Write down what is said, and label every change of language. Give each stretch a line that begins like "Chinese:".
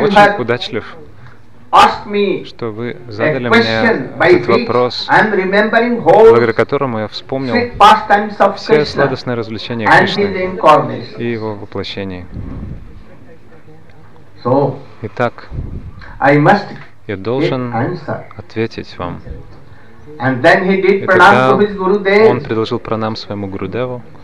Russian: очень удачлив, что вы задали мне этот вопрос, благодаря которому я вспомнил все сладостные развлечения Кришны и его воплощение. Итак, я должен ответить вам.
English: And then he did pranam to his Gurudev.
Russian: Он предложил пранам своему Гурудеву.